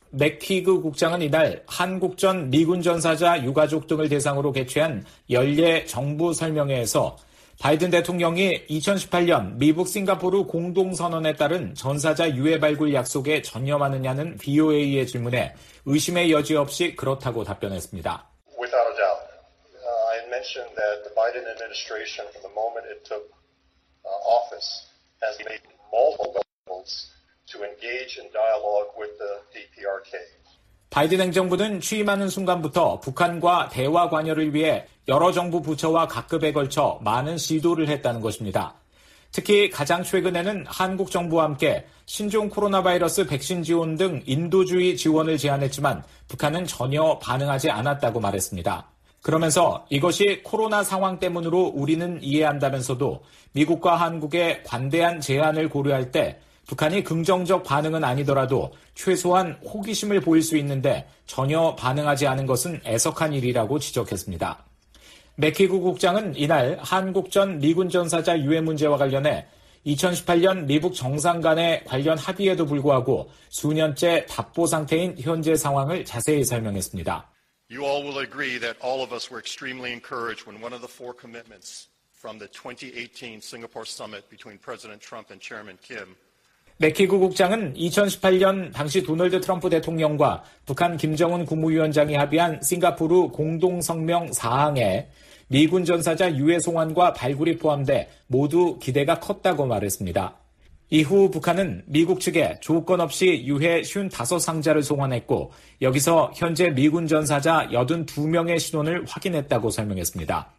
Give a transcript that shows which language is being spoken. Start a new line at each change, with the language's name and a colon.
Korean: 맥키그 국장은 이날 한국전 미군 전사자 유가족 등을 대상으로 개최한 연례 정부 설명회에서 바이든 대통령이 2018년 미북 싱가포르 공동선언에 따른 전사자 유해 발굴 약속에 전념하느냐는 VOA의 질문에 의심의 여지 없이 그렇다고 답변했습니다.
English: Without a doubt, I mentioned that the Biden administration, from the moment it took office, has made multiple goals to engage in dialogue with the DPRK.
Korean: 바이든 행정부는 취임하는 순간부터 북한과 대화 관여를 위해 여러 정부 부처와 각급에 걸쳐 많은 시도를 했다는 것입니다. 특히 가장 최근에는 한국 정부와 함께 신종 코로나 바이러스 백신 지원 등 인도주의 지원을 제안했지만 북한은 전혀 반응하지 않았다고 말했습니다. 그러면서 이것이 코로나 상황 때문으로 우리는 이해한다면서도 미국과 한국의 관대한 제안을 고려할 때 북한이 긍정적 반응은 아니더라도 최소한 호기심을 보일 수 있는데 전혀 반응하지 않은 것은 애석한 일이라고 지적했습니다. 맥키그 국장은 이날 한국전 미군 전사자 유해 문제와 관련해 2018년 미북 정상 간의 관련 합의에도 불구하고 수년째 답보 상태인 현재 상황을 자세히 설명했습니다.
English: You all will agree that all of us were extremely encouraged when one of the four commitments from the 2018 Singapore summit between President Trump and Chairman Kim
Korean: 맥키구 국장은 2018년 당시 도널드 트럼프 대통령과 북한 김정은 국무위원장이 합의한 싱가포르 공동성명 4항에 미군 전사자 유해 송환과 발굴이 포함돼 모두 기대가 컸다고 말했습니다. 이후 북한은 미국 측에 조건 없이 유해 55상자를 송환했고 여기서 현재 미군 전사자 82명의 신원을 확인했다고 설명했습니다.